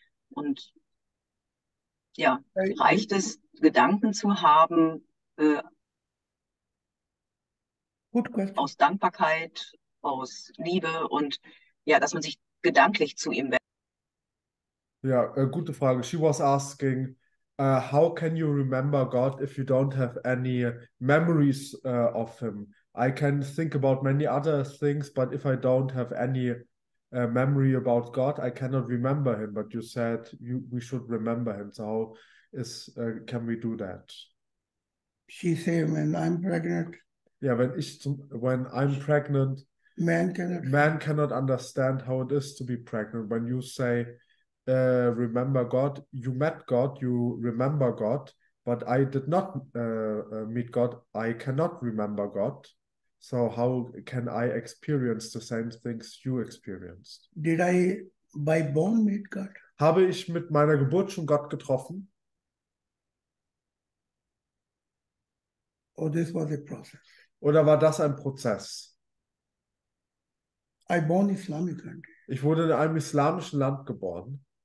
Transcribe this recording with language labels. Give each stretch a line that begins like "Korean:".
German: Und ja, reicht es, Gedanken zu haben, aus Dankbarkeit, aus Liebe und ja, dass man sich gedanklich zu ihm wendet. Ja, gute Frage.
English: She was asking, how can you remember God if you don't have any memories of him? I can think about many other things, but if I don't have any memory about God, I cannot remember him. But you said we should remember him. So how can we do that? She said, when I'm pregnant, yeah, when I'm pregnant, man cannot understand how it is to be pregnant. When you say, remember God, you met God, you remember God, but I did not meet God, I cannot remember God. So how can I experience the same things you experienced? Did I by born meet God?
German: Habe ich mit meiner Geburt schon Gott getroffen?
English: Or this was a process?
German: Oder war das ein Prozess?
English: I born Islamic country.
German: Ich wurde in einem islamischen Land geboren.